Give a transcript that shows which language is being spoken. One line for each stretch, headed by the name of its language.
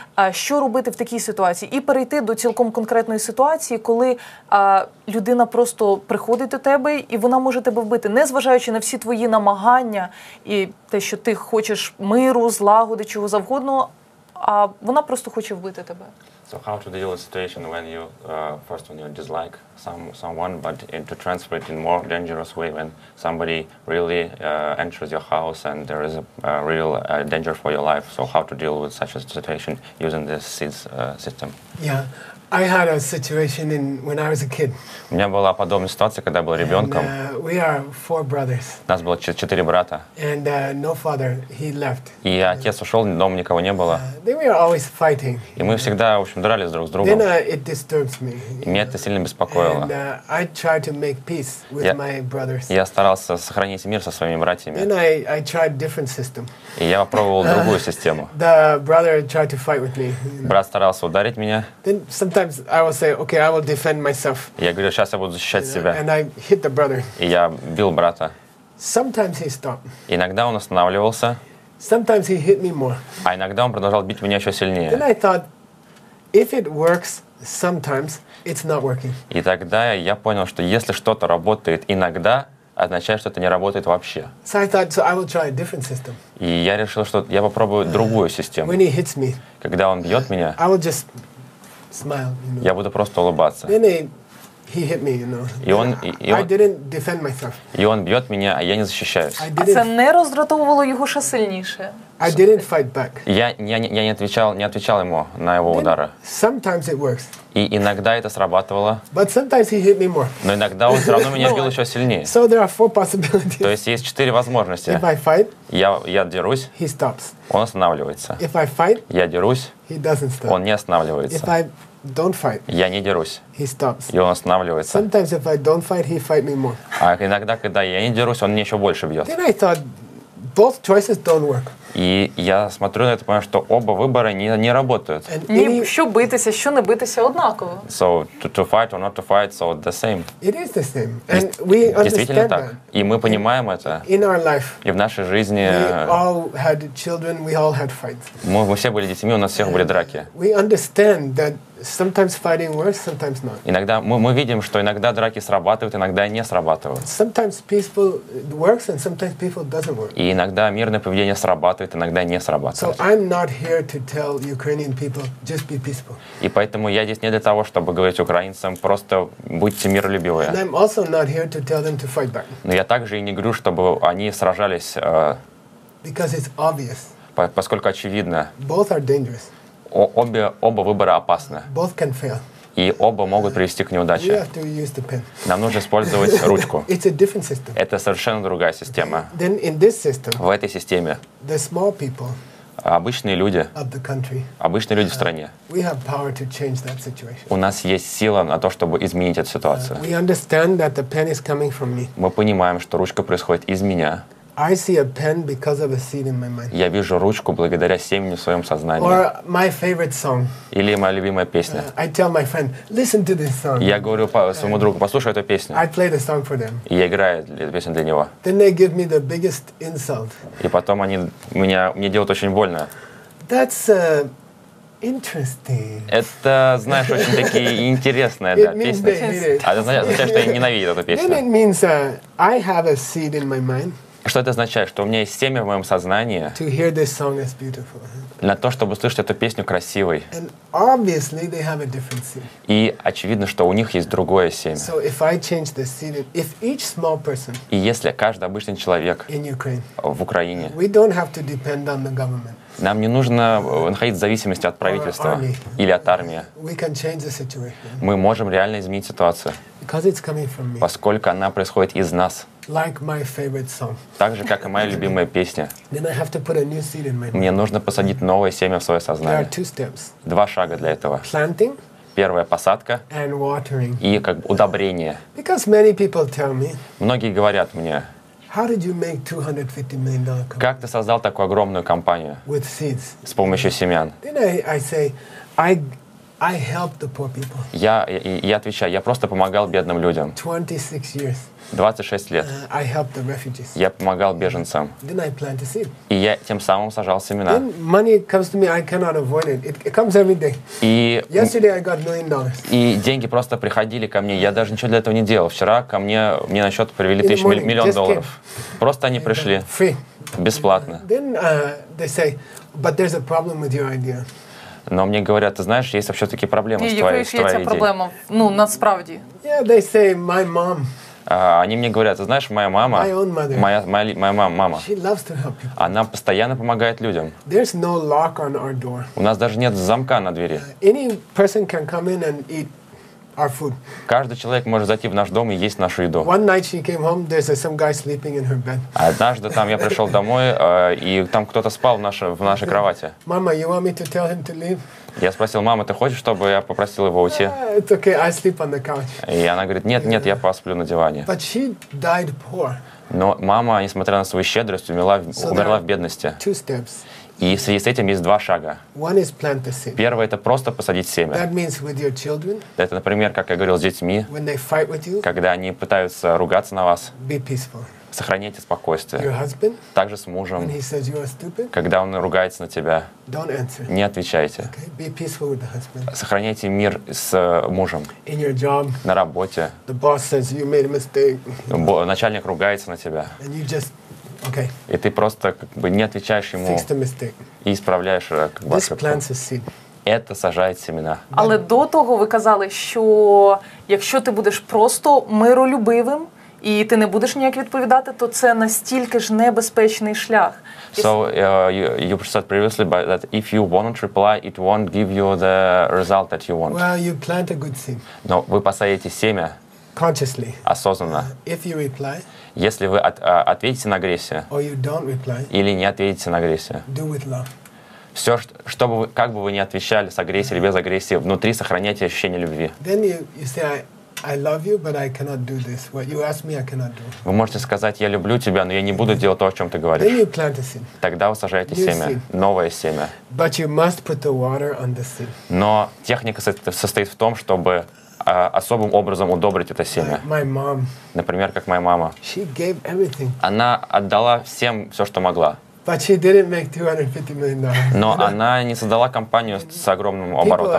Ukrainian: Що робити в такій ситуації? І перейти до цілком конкретної ситуації, коли людина просто приходить до тебе, і вона може тебе вбити, незважаючи на всі твої намагання і те, що ти хочеш миру, злагоди, чого завгодно, а вона просто хоче вбити тебе.
English: So how to deal with situation when you first when you dislike someone but to transfer it in more dangerous way when somebody really enters your house and there is a real danger for your life. So how to deal with such a situation using this seeds system? Yeah, I had a situation in when I was a kid.
Ukrainian: У мене була подобна ситуація, коли я був ребенком.
English: We are four brothers.
Ukrainian: У нас було чотири брата.
English: And no father, he left.
Ukrainian: І отец ушел, дома нікого не було.
English: Then we are always fighting.
Ukrainian: І ми завжди, в общем, дрались друг з другом.
English: Then it disturbs me.
Ukrainian: І мене це сильно беспокоїло.
English: And I tried to make peace with my brothers.
Ukrainian: Я старався сохранити мир со своїми братьями.
English: Then I tried different system.
Ukrainian: І я попробував другую систему.
English: The brother tried to fight with me.
Ukrainian: Брат старався ударити мене.
English: Then sometimes I will say, okay, I will defend myself.
Russian: Я говорю, сейчас я буду защищать себя.
English: And I hit the brother.
Russian: І я бил брата.
English: Sometimes he stopped.
Russian: Иногда он останавливался.
English: Sometimes he hit me more.
Russian: А иногда он продолжал бить меня еще сильнее.
English: Then I thought, if it works sometimes, it's not working.
Russian: И тогда я понял, что если что-то работает иногда, означает, что это не работает вообще.
English: So I thought, so I will try a different system.
Russian: И я решил, что я попробую другую систему.
English: When he hits me,
Russian: когда он бьет меня,
English: I will just smile, you know?
Russian: Я буду просто улыбаться.
English: Then he hit me, you know.
Russian: И он,
English: I didn't defend myself.
Russian: И он бьет меня, а я не защищаюсь.
Ukrainian: А це не роздратовувало його ще сильніше.
English: I didn't fight back.
Russian: Я не отвечал ему на его удары.
English: Sometimes it works.
Russian: И иногда это срабатывало.
English: But sometimes he hit me more.
Russian: Но иногда он все равно меня бил еще сильнее.
English: So there are four possibilities.
Russian: То есть есть четыре возможности.
English: If I fight,
Russian: я дерусь.
English: He stops.
Russian: Он останавливается.
English: If I fight,
Russian: я дерусь.
English: He doesn't stop.
Russian: Он не останавливается.
English: If I don't fight,
Russian: я не дерусь.
English: He stops.
Russian: И он останавливается.
English: Sometimes if I don't fight, he fight me more.
Russian: А иногда, когда я не дерусь, он мне еще больше бьет.
English: Then I thought, both choices don't work.
Russian: И я смотрю на это, понимаю, что оба выбора не работают. Ни что биться, что не биться одинаково.
English: So to fight or not to fight, so the same. It is the same. And we
Russian: действительно так. И мы понимаем это.
English: In our life.
Russian: И в нашей жизни.
English: We all had children, we all had fights.
Russian: Мы все были детьми, у нас всех были драки.
English: We understand that sometimes fighting works, sometimes not.
Russian: Иногда мы видим, что иногда драки срабатывают, иногда не срабатывают.
English: Sometimes peaceful works and sometimes peaceful doesn't work.
Russian: И иногда мирное поведение срабатывает, иногда не срабатывает.
English: So I'm not here to tell Ukrainian people just be peaceful.
Russian: И поэтому я здесь не для того, чтобы говорить украинцам просто будьте миролюбивые.
English: And I'm also not here to tell them to fight back.
Russian: Но я также и не говорю, чтобы они сражались.
English: Because it's obvious.
Russian: Поскольку очевидно.
English: Both are dangerous.
Russian: Оба выбора опасны.
English: Both can fail.
Russian: И оба могут привести к неудаче.
English: We have to use the pen.
Russian: Нам нужно использовать ручку.
English: It's a different system.
Russian: Это совершенно другая система.
English: Then in this system,
Russian: в этой системе
English: the small people
Russian: обычные люди,
English: of the country,
Russian: обычные люди в стране,
English: we have power to change that situation.
Russian: У нас есть сила на то, чтобы изменить эту ситуацию.
English: We understand that the pen is coming from me.
Russian: Мы понимаем, что ручка происходит из меня.
English: I see a pen because of a seed in my mind.
Russian: Я вижу ручку благодаря семени в своем сознании.
English: Or my favorite song.
Russian: Или моя любимая песня.
English: I tell my friend, listen to this song.
Russian: Я говорю своему другу, послушай эту песню.
English: I play the song for them.
Russian: И я играю песню для него.
English: Then they give me the biggest insult.
Russian: И потом они мне делают очень больно.
English: That's interesting.
Russian: Это, знаешь, очень такие интересные, да, песни.
English: It means they hate it.
Russian: Что я ненавидел эту песню.
English: Then it means I have a seed in my mind.
Russian: Что это означает? Что у меня есть семя в моем сознании
English: to hear this song is beautiful.
Russian: На то, чтобы услышать эту песню красивой.
English: And obviously they have a different seed.
Russian: И очевидно, что у них есть другое семя.
English: So if I change the seed, if each small person,
Russian: и если каждый обычный человек
English: in Ukraine,
Russian: в Украине,
English: we don't have to depend on the government.
Russian: Нам не нужно находить зависимости от правительства или от армии.
English: We can change the situation.
Russian: Мы можем реально изменить ситуацию.
English: Because it's coming from me.
Russian: Поскольку она происходит из нас.
English: Like my favorite song.
Russian: Так же, как и моя любимая песня.
English: Then I have to put a new seed in my mind.
Russian: Мне нужно посадить новое семя в свое сознание.
English: There are two steps.
Russian: Два шага для этого.
English: Planting.
Russian: первая посадка
English: and watering.
Russian: И как бы удобрение.
English: Because many people tell me,
Russian: многие говорят мне,
English: how did you make $250 million company?
Russian: Как ты создал такую огромную компанию
English: with seeds?
Russian: С помощью семян?
English: Then I say, I help the poor people.
Russian: Я отвечаю, я просто помогал бедным людям.
English: 26 years.
Russian: 26 лет.
English: I help the refugees.
Russian: Я помогал беженцам.
English: Then I plant a seed.
Russian: И я тем самым сажал семена.
English: Then money comes to me, I cannot avoid it. It comes every day.
Russian: И
English: yesterday I got $1 million.
Russian: И деньги просто приходили ко мне. Я даже ничего для этого не делал. Вчера ко мне на счет привели миллион долларов. Просто они пришли.
English: Free.
Russian: Бесплатно.
English: Then they say, but there's a problem with your idea.
Russian: Но мне говорят, ты знаешь, есть вообще такие проблемы и с твоей идеей. И какие эти проблемы? Ну, насправди.
English: Yeah, they say my mom.
Russian: Они мне говорят, ты знаешь, моя мама, моя мама,
English: she loves to help people.
Russian: Она постоянно помогает людям.
English: There's no lock on our door.
Russian: У нас даже нет замка на двери.
English: Any person can come in and eat our food.
Russian: Каждый человек может зайти в наш дом и есть нашу еду.
English: One night she came home, there's some guy sleeping in her bed.
Russian: Однажды там я пришел домой, и там кто-то спал в нашей кровати.
English: Mama, you want me to tell him to leave?
Russian: Я спросил, мама, ты хочешь, чтобы я попросил его уйти?
English: It's okay, I sleep on the couch.
Russian: И она говорит, нет, я посплю на диване.
English: But she died poor.
Russian: Но мама, несмотря на свою щедрость, умерла в бедности.
English: Two steps.
Russian: И в связи с этим есть два шага.
English: One is plant the seed.
Russian: Первое – это просто посадить семя.
English: That means with your children.
Russian: Это, например, как я говорил, с детьми,
English: when they fight with you,
Russian: когда они пытаются ругаться на вас.
English: Be peaceful.
Russian: Сохраняйте спокойствие.
English: Your husband,
Russian: также с мужем.
English: When he says you are stupid,
Russian: когда он ругается на тебя.
English: Don't answer.
Russian: Не отвечайте.
English: Okay? Be peaceful with the husband.
Russian: Сохраняйте мир с мужем.
English: In your job,
Russian: на работе.
English: The boss says you made a mistake.
Russian: Начальник ругается на тебя.
English: And you just, okay.
Russian: И ты просто как бы не отвечаешь ему.
English: Fix the mistake.
Russian: И исправляешь как бы.
English: This plants a seed.
Russian: Это сажает семена.
Ukrainian: Але до того ви казали, що якщо ти будеш просто миролюбивим, і ти не будеш ніяк відповідати, то це настільки ж небезпечний шлях.
English: So you said previously but that if you won't reply, it won't give you the result that you want. Well, you plant a good seed.
Russian: Но ви посаєте семя.
English: Consciously.
Russian: Осознанно.
English: If you reply.
Russian: Если вы ответите на агрессию.
English: Or you don't reply.
Russian: Или не ответите на агрессию.
English: Do with love.
Russian: Все, чтобы вы, как бы вы ни отвечали с агрессией или без агрессии, внутри сохраняйте ощущение любви.
English: Then you say, I love you, but I cannot do this. What you ask me, I cannot do.
Russian: Вы можете сказать, я люблю тебя, но я не буду делать то, о чем ты говоришь.
English: Then you plant a seed.
Russian: Тогда вы сажаете семя, новое семя.
English: But you must put the water on the seed.
Russian: Но техника состоит в том, чтобы особым образом удобрить это семя.
English: My mom.
Russian: Например, как моя мама.
English: She gave everything.
Russian: Она отдала всем все, что могла.
English: But she didn't make $250 million.
Russian: Но она не создала компанию с огромным оборотом.